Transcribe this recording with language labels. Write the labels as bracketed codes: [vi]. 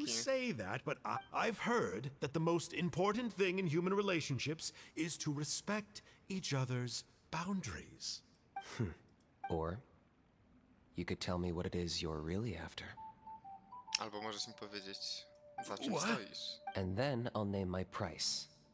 [en] You say that, but I've heard that the most important thing in human relationships is to respect each other's boundaries. Or... you could tell me what it is you're really after. [pl] Albo możesz mi powiedzieć, za czym stoisz. [en] And then I'll name my price.